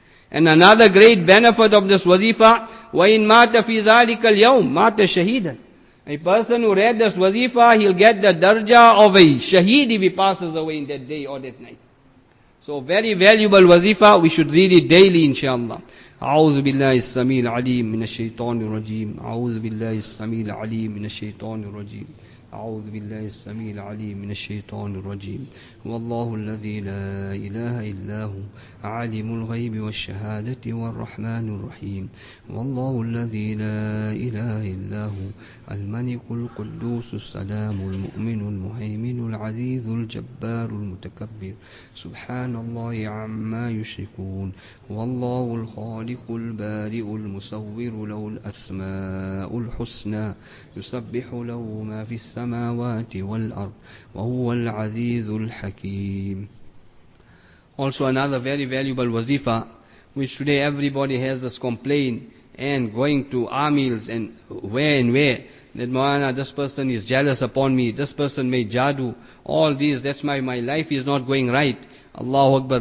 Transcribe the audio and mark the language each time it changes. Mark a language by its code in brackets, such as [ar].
[en] And another great benefit of this wazifa, [ar] وَإِن مَاتَ فِي ذَلِكَ الْيَوْمِ مَاتَ شَهِيدًا. [en] A person who read this wazifa, he'll get the darja of a shaheed if he passes away in that day or that night. So very valuable wazifa, we should read it daily inshallah. [ar] أعوذ بالله السميع العليم من الشيطان الرجيم أعوذ بالله السميع العليم من الشيطان الرجيم أعوذ بالله السميع العليم من الشيطان الرجيم والله الذي لا إله إلا هو عالم الغيب والشهادة والرحمن الرحيم والله الذي لا إله إلا هو الملك القدوس السلام المؤمن المهيمن العزيز الجبار المتكبر سبحان الله عما يشركون والله الخالق البارئ المصور له الأسماء الحسنى يسبح له ما في السماوات والأرض وهو العزيز الحكيم. [en] Also another very valuable wazifa, which today everybody has this complaint and going to our meals and where, that Moana, this person is jealous upon me, this person made jadu, all these, that's my life is not going right. Allahu Akbar.